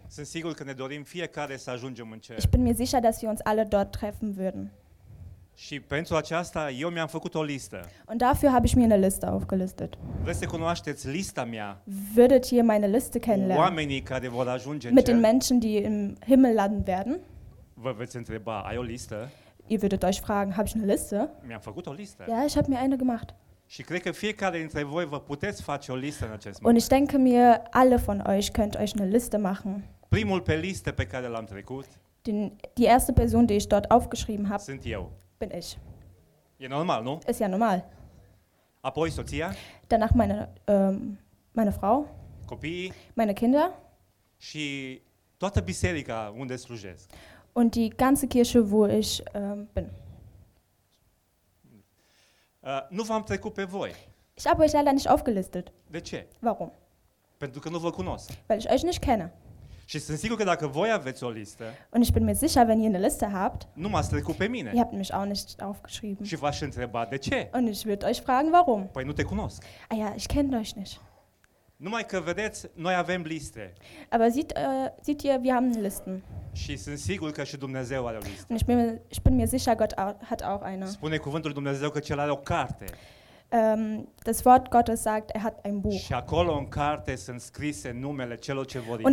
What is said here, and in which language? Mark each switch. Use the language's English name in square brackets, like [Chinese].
[Romanian] sunt sigur că ne dorim fiecare să ajungem în cer. [German] Ich bin mir sicher, dass wir uns alle dort treffen würden. [Romanian] Și pentru aceasta eu mi-am făcut o listă. [German] Und dafür habe ich mir eine Liste aufgelistet. [Romanian] Vreți să cunoașteți lista mea? [German] Würdet ihr meine Liste kennenlernen? [Romanian] Oamenii care vor ajunge în [German] cer. Mit den Menschen, die im Himmel landen werden. [Romanian] Vă veți întreba, ai o listă? [German] Ihr würdet euch fragen, habe ich eine Liste? [Romanian] Mi-am făcut o listă. [German] Ja, ich habe mir eine gemacht. [Romanian] Și cred că fiecare dintre voi vă puteți face o listă în acest moment. [German] Und ich denke mir, alle von euch könnt euch eine Liste machen. [Romanian] Primul pe listă pe care l-am trecut. [German] Die erste Person, die ich dort aufgeschrieben habe. [Romanian] Sunt eu. [German] Bin ich. [Romanian] E normal, nu? [German] Ist ja normal. [Romanian] Apoi soția. [German] Danach meine Frau. [Romanian] Copii. [German] Meine Kinder. [Romanian] Și toată biserica unde slujesc. [German] Und die ganze Kirche, wo ich bin. [Romanian] Nu v-am trecut pe voi. [German] Ich habe euch leider nicht aufgelistet. [Romanian] De ce? [German] Warum? [Romanian] Pentru că nu vă cunosc. [German] Weil ich euch nicht kenne. [Romanian] Și sunt sigur că dacă voi aveți o listă. [German] Und ich bin mir sicher, wenn ihr eine Liste habt. [Romanian] Nu m-ați trecut pe mine. [German] Ihr habt mich auch nicht aufgeschrieben. [Romanian] Și v-aș întreba de ce? [German] Und ich würde euch fragen, warum? [Romanian] Păi nu te cunosc. [German] Ah ja, ich kenne euch nicht. [Romanian] Numai că vedeți, noi avem liste. [German] Aber seht ihr, wir haben Listen. [Romanian] Și sunt sigur că și Dumnezeu are o listă. [German] Und ich bin mir sicher, Gott hat auch eine. [Romanian] Spune cuvântul lui Dumnezeu că cel are o carte. [German] Das Wort Gottes sagt, er hat ein Buch. [Romanian] Și acolo în carte sunt scrise numele celor ce vor intra.